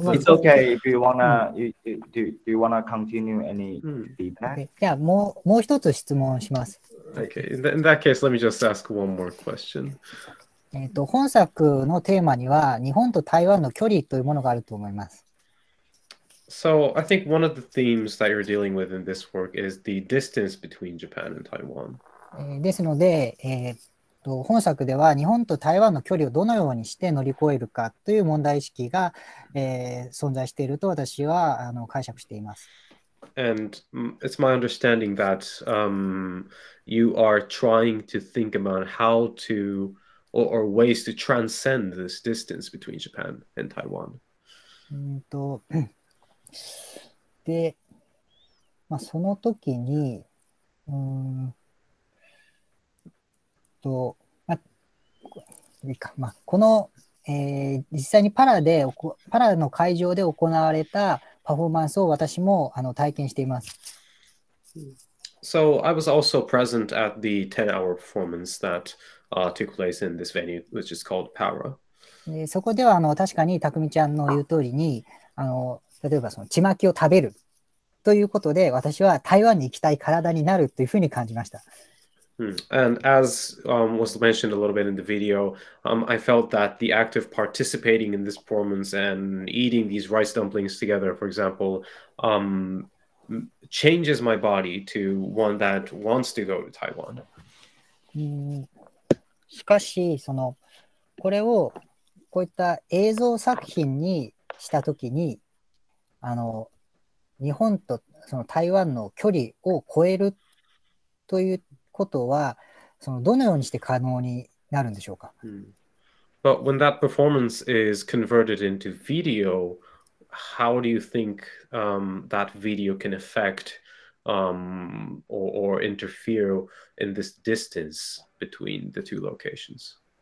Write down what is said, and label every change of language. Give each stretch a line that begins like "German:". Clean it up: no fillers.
English: well, it's okay if you wanna、do you wanna continue any feedback?
Japanese: じゃあもう一つ質問します。
English: Okay, in that case, let me just ask one more question.
Japanese: 本作のテーマには日本と台湾の距離というものがあると思います。
English: So I think one of the themes that you're dealing with in this work is the distance between Japan and Taiwan.
Japanese: ですので、本作では日本と台湾の距離をどのようにして乗り越えるかという問題意識が、存在していると私は解釈しています。
English: And it's my understanding that、you are trying to think about how to or ways to transcend this distance between Japan and Taiwan.
Japanese: で、まあ、その時に、まあ、いいか、まあ、この、実際にパラの会場で行われたパフォーマンスを私も体験しています。
English: So I was also present at the 10-hour performance that、took place in this venue, which is called Para.
Japanese: そこでは確かにたくみちゃんの言う通りに、例えばそのちまきを食べるということで、私は台湾に行きたい体になるというふうに感じました。
English: And as、was mentioned a little bit in the video,、I felt that the act of participating in this performance and eating these rice dumplings together, for example,、changes my body to one that wants to go to Taiwan.
Japanese: しかし、これをこういった映像作品にしたときに、日本とその台湾の距離を超えるという。ことはどのようにして可能になるんでしょうか。
English: But when that performance is converted into video, how do you think、that video can affect、or interfere in this distance between the two locations?